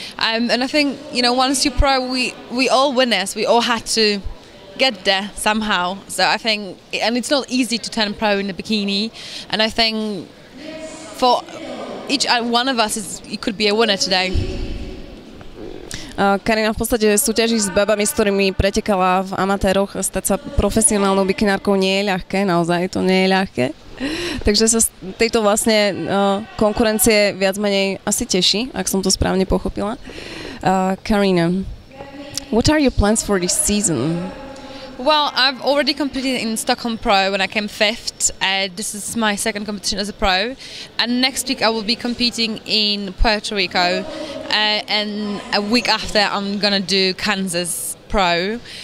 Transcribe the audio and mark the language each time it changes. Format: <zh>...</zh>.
<en>And I think, you know, once you're pro, we all winners, we all had to get there somehow, so I think, and it's not easy to turn pro in a bikini, and I think for each one of us is, it could be a winner today.</en> <sk>Karina, v podstate súťaží s babami, s ktorými pretekala v amatéroch, stať sa profesionálnou bikinárkou nie je ľahké, naozaj to nie je ľahké, takže sa z tejto vlastne konkurencie viac menej asi teší, ak som to správne pochopila.</sk> <en>Karina, what are your plans for this season? Well, I've already competed in Stockholm Pro when I came fifth. This is my second competition as a pro. And next week I will be competing in Puerto Rico. And a week after I'm going to do Kansas Pro.</en>